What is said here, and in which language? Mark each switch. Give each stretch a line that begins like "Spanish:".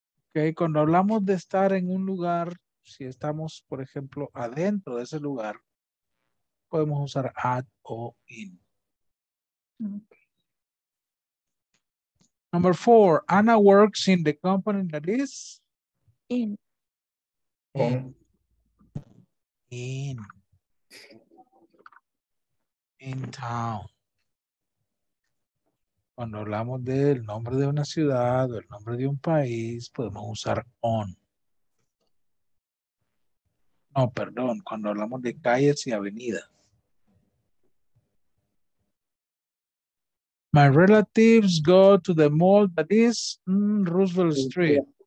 Spanish: Ok, cuando hablamos de estar en un lugar. Si estamos, por ejemplo, adentro de ese lugar, podemos usar at o in.
English: Number four, Anna works in the company that is? In. In. In. In town.
Spanish: Cuando hablamos del nombre de una ciudad o el nombre de un país, podemos usar on. No, oh, perdón, cuando hablamos de calles y avenidas.
English: My relatives go to the mall that is Roosevelt Street.